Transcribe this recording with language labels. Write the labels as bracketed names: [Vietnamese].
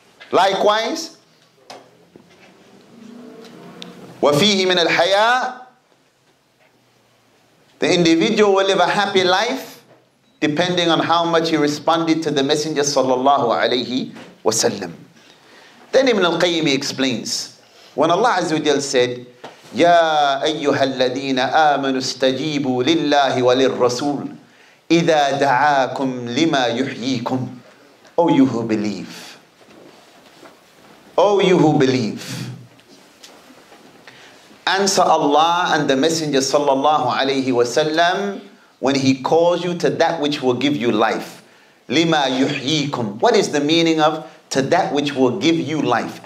[English] Likewise, [Arabic] وَفِيهِ مِنَ الْحَيَاءِ, [English] the individual will live a happy life depending on how much he responded to the Messenger sallallahu alayhi wasallam. Then Ibn al-Qayyim explains, when Allah Azza wa Jalla said, [Arabic] يَا أَيُّهَا الَّذِينَ آمَنُوا اسْتَجِيبُوا لِلَّهِ وَلِلْرَسُولِ إِذَا دَعَاكُمْ لِمَا يُحْيِيكُمْ. [English] O you who believe, O you who believe, answer Allah and the Messenger sallallahu alayhi wasallam when he calls you to that which will give you life. Lima yuhyikum. What is the meaning of to that which will give you life?